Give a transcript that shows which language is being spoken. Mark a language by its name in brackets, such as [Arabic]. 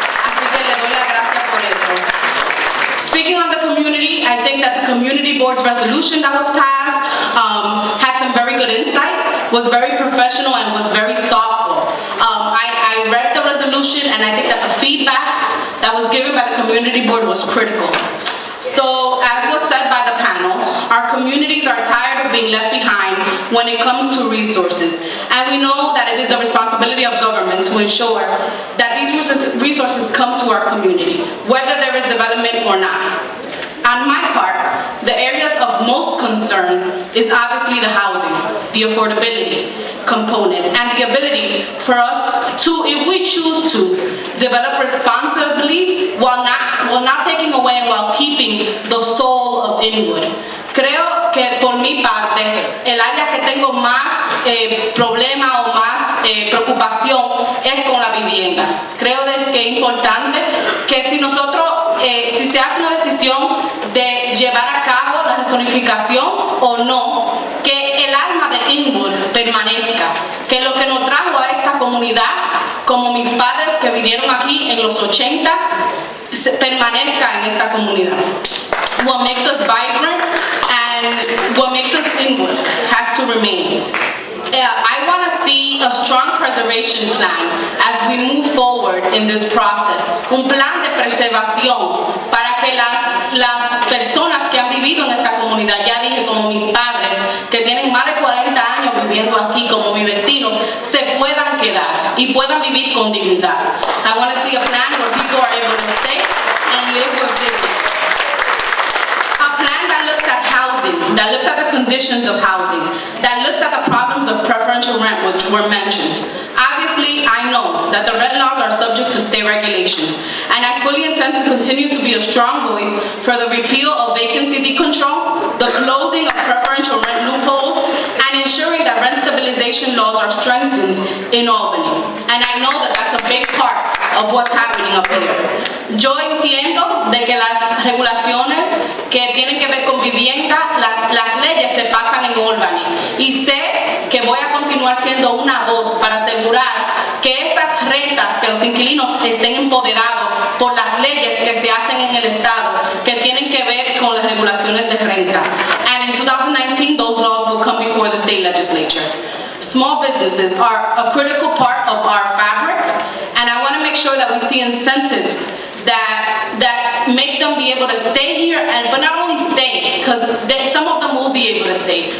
[Spanish] Así que le doy la gracia por eso. [English] Speaking of the community, I think that the community board resolution that was passed had some very good insight, was very professional, and was very thoughtful. I read the resolution, and I think that the feedback that was given by the community board was critical. So, as was said by the panel, our communities are tired of being left behind when it comes to resources. And we know that it is the responsibility of government to ensure that these resources come to our community, whether there is development or not. On my part, the areas of most concern is obviously the housing, the affordability component, and the ability for us to, if we choose to, develop responsibly while not taking away and while keeping the soul of Inwood. [Spanish] Creo que por mi parte, el área que tengo más problema o más preocupación es con la vivienda. Creo que es importante que si nosotros, si se hace una decisión de llevar a cabo la rezonificación o no, que el alma de Inwood permanezca. Que lo que nos trajo a esta comunidad, como mis padres que vinieron aquí en los 80, permanezca en esta comunidad. [English] What makes us vibrant and what makes us Inwood has to remain. I want to see a strong preservation plan as we move forward in this process. [Spanish] Un plan de preservación para que las personas que han vivido en esta comunidad, ya dije como mis padres, que tienen más de 40 años viviendo aquí como mis vecinos, se puedan quedar y puedan vivir con dignidad. [English] I want to see a plan where people are able to stay and live with dignity. That looks at the conditions of housing, that looks at the problems of preferential rent, which were mentioned. Obviously, I know that the rent laws are subject to state regulations, and I fully intend to continue to be a strong voice for the repeal of vacancy decontrol, the closing of preferential rent loopholes, and ensuring that rent stabilization laws are strengthened in Albany. And I know that that's a big part of what's happening up here. [Spanish] Yo entiendo de que las regulaciones que tienen que ver con vivienda, las leyes se pasan en Albany. Y sé que voy a continuar siendo una voz para asegurar que esas rentas, que los inquilinos estén empoderados por las leyes que se hacen en el estado, que tienen que ver con las regulaciones de renta. [English] And in 2019, those laws will come before the state legislature. Small businesses are a critical part of our fabric, and I want to make sure that we see incentives that make them be able to stay here, but not only stay, because some of them will be able to stay.